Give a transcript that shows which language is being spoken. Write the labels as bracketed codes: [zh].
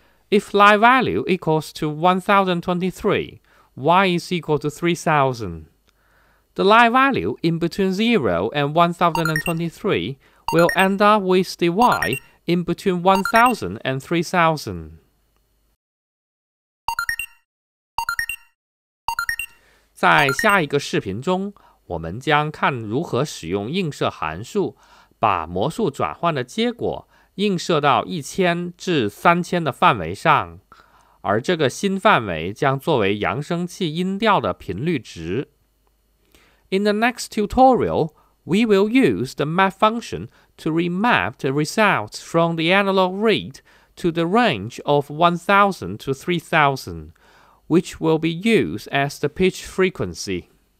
[en] If light value equals to 1023, y is equal to 3000. The light value in between 0 and 1023 will end up with the y in between 1000 and 3000. [zh] 在下一个视频中，我们将看如何使用映射函数把模数转换的结果映射到1000至3000的范围上，而这个新范围将作为扬声器音调的频率值。 [en] In the next tutorial, we will use the map function to remap the results from the analog read to the range of 1000 to 3000, which will be used as the pitch frequency.